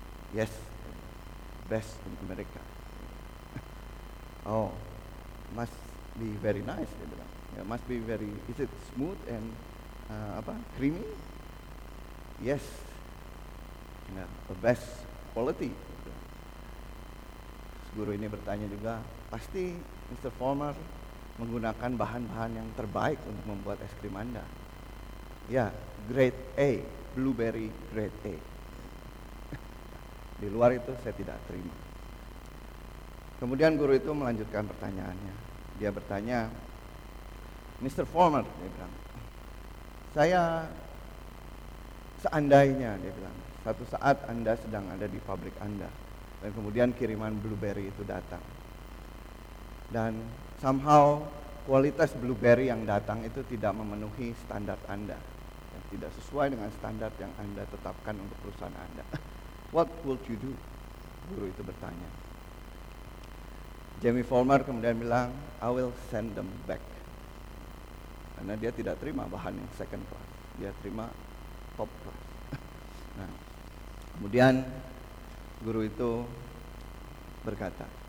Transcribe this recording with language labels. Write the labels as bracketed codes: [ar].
[en] Yes, best in America. Oh, must be very nice," [id] dia bilang. [en] "Yeah, must be very, is it smooth and creamy?" "Yes, yeah, the best quality." [id] Guru ini bertanya juga, "Pasti Mr. Vollmer menggunakan bahan-bahan yang terbaik untuk membuat es krim Anda." [en] "Ya, grade A, blueberry grade A." [id] Di luar itu saya tidak terima. Kemudian guru itu melanjutkan pertanyaannya. Dia bertanya, "Mr. Vollmer," dia bilang, "saya seandainya," dia bilang, "satu saat Anda sedang ada di pabrik Anda, dan kemudian kiriman blueberry itu datang. Dan somehow kualitas blueberry yang datang itu tidak memenuhi standar Anda. Yang tidak sesuai dengan standar yang Anda tetapkan untuk perusahaan Anda. [en] What would you do?" [id] Guru itu bertanya. [en] Jamie Vollmer [id] kemudian bilang, [en] "I will send them back." [id] Karena dia tidak terima bahan yang second class. Dia terima top class. Nah, kemudian guru itu berkata,